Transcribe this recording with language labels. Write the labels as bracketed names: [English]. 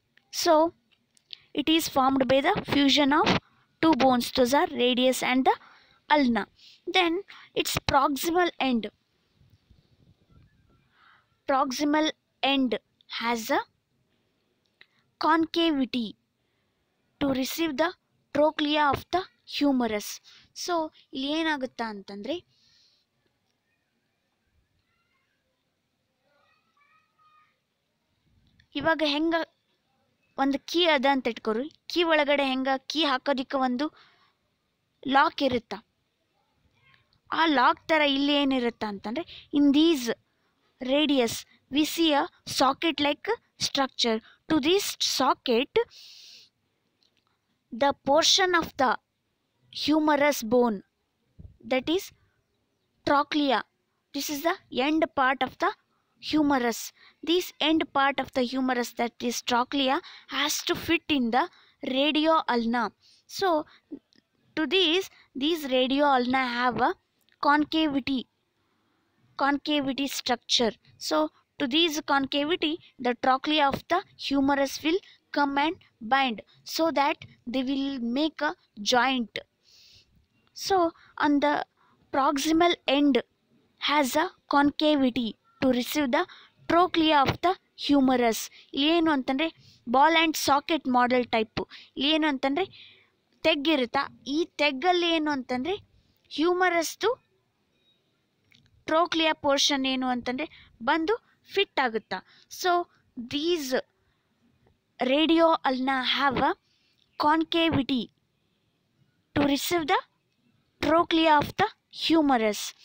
[English] So it is formed by the fusion of two bones, those are radius and the ulna. Then its proximal end, proximal end has a concavity to receive the trochlea of the humerus. [Kannada] So ಇಲ್ಲಿ ಏನಾಗುತ್ತೆ ಅಂತಂದ್ರೆ, ಇವಾಗ ಹೆಂಗ ಒಂದು key ಅದ ಅಂತ ಇಟ್ಕೊರಿ, key ಒಳಗಡೆ ಹೆಂಗ ಕೀ ಹಾಕೋದಿಕ್ಕೆ ಒಂದು ಲಾಕ್ ಇರುತ್ತ, ಆ ಲಾಕ್ ತರ ಇಲ್ಲಿ ಏನಿರುತ್ತ ಅಂತಂದ್ರೆ, in these radius V C a socket like structure. [English] To these socket the portion of the humerus bone, that is trochlea, This is the end part of the humerus. This end part of the humerus, that is trochlea, has to fit in the radio ulna. So to these radio ulna have a concavity structure. So to these concavity, the trochlea of the humerus will come and bind, so that they will make a joint. So on the proximal end has a concavity to receive the trochlea of the humerus. ಏನು ಅಂತಂದರೆ ball and socket model type. [Kannada] ಏನು ಅಂತಂದರೆ ತೆಗ್ಗಿರುತ್ತಾ, ಈ ತೆಗ್ಗಲ್ಲಿ ಏನು ಅಂತಂದರೆ ಹ್ಯೂಮರಸ್ದು ಟ್ರೋಕ್ಲಿಯಾ portion ಏನು ಅಂತಂದರೆ ಬಂದು ಫಿಟ್ ಆಗುತ್ತಾ. [English] So these radio ulna have a concavity to receive the trochlea of the humerus.